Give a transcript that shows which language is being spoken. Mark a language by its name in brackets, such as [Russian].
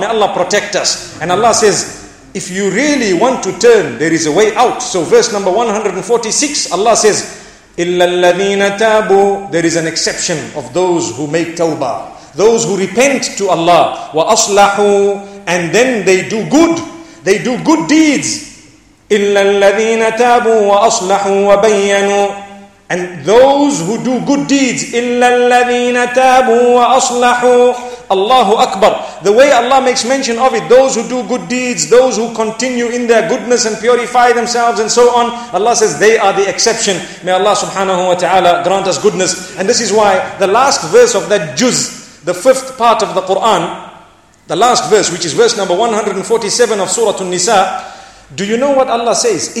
[English] May Allah protect us. And Allah says, if you really want to turn, there is a way out. So verse number 146, Allah says, [Arabic] إِلَّا الَّذِينَ تَابُوا. [English] There is an exception of those who make tawbah. Those who repent to Allah. وَأَصْلَحُوا. And then they do good. They do good deeds. [Arabic] إلا الذين تابوا وأصلحوا وبينوا. [English] And those who do good deeds, [Arabic] إلا الذين تابوا وأصلحوا. [English] Allahu Akbar. The way Allah makes mention of it, those who do good deeds, those who continue in their goodness and purify themselves and so on, Allah says they are the exception. May Allah subhanahu wa ta'ala grant us goodness. And this is why the last verse of that juz, the fifth part of the Quran, the last verse, which is verse number 147 of Surah An-Nisa, do you know what Allah says?